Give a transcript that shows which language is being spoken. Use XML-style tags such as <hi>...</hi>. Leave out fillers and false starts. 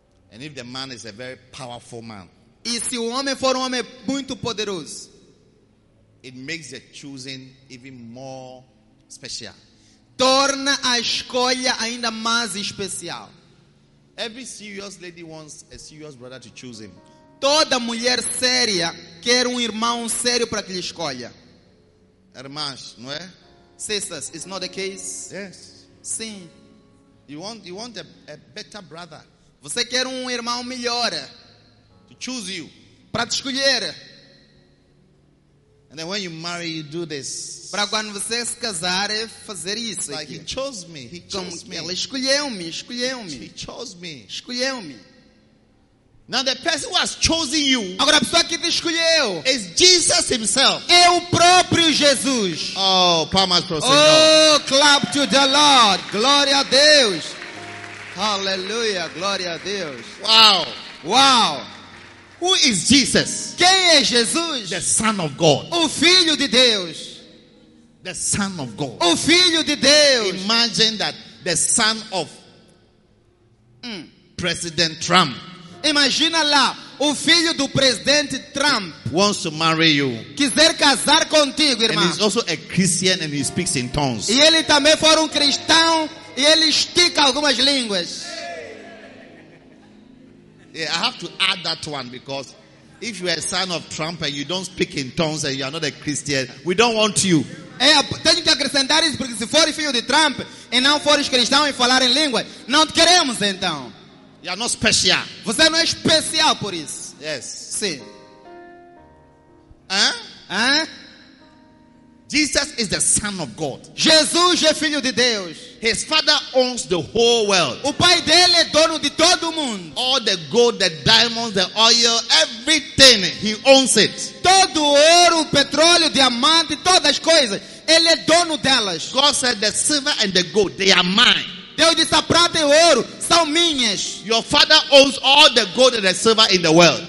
<en>And if the man is a very powerful man,</en> <pt>e se o homem for homem muito poderoso,</pt> <en>it makes the choosing even more special.</en> <pt>Torna a escolha ainda mais especial.</pt> <en>Every serious lady wants a serious brother to choose him.</en> <pt>Toda mulher séria quer irmão sério para que lhe escolha. Irmãs, não é?</pt> <en>Sisters, it's not the case. Yes.</en> <pt>Sim.</pt> <en>You want a better brother.</en> <pt>Você quer irmão melhor.</pt> <en>To choose you.</en> <pt>Para te escolher.</pt> <en>And then when you marry, you do this.</en> <pt>Para quando você se casar, é fazer isso.</pt> <en>Like</en> <pt>aqui.</pt> <en>He chose me. He</en> <pt>como</pt> <en>chose me.</en> <pt>Ela escolheu-me. Escolheu-me.</pt> <en>He chose me.</en> <pt>Escolheu-me.</pt> <en>Now the person who has chosen you.</en> <pt>Agora a pessoa que te escolheu.</pt> <en>Is Jesus himself.</en> <pt>É o próprio Jesus. Oh, palmas para o Senhor.</pt> <en>Oh, clap to the Lord.</en> <pt>Glória a Deus.</pt> <en>Hallelujah.</en> <pt>Glória a Deus. Wow. Wow.</pt> <en>Who is Jesus?</en> <pt>Quem é Jesus?</pt> <en>The Son of God.</en> <pt>O Filho de Deus.</pt> <en>The Son of God.</en> <pt>O Filho de Deus.</pt> <en>Imagine that the son of President Trump.</en> <pt>Imagina lá O filho do presidente Trump</pt> <en>wants to marry you.</en> <pt>Quiser casar contigo, irmã.</pt> <en>And he's also a Christian and he speaks in tongues.</en> <pt>E ele também for um cristão e ele estica algumas línguas.</pt> <en>Yeah, I have to add that one because if you are a son of Trump and you don't speak in tongues and you are not a Christian, we don't want you.</en> <pt>É, tenho que acrescentar isso porque se for filho de Trump e não for cristão e falar em língua, não te queremos então.</pt> <en>You are not special.</en> <pt>Você não é especial por isso.</pt> <en>Yes.</en> <pt>Sim.</pt> <en>Hein? Jesus is the Son of God.</en> <pt>Jesus é filho de Deus.</pt> <en>His Father owns the whole world.</en> <pt>O pai dele é dono de todo mundo.</pt> <en>All the gold, the diamonds, the oil, everything, he owns it.</en> <pt>Todo ouro, petróleo, diamante, todas as coisas, ele é dono delas.</pt> <en>God said, "The silver and the gold, they are mine."</en> <pt>Deus disse, a prata e o ouro são minhas.</pt> <en>Your Father owns all the gold and the silver in the world.</en>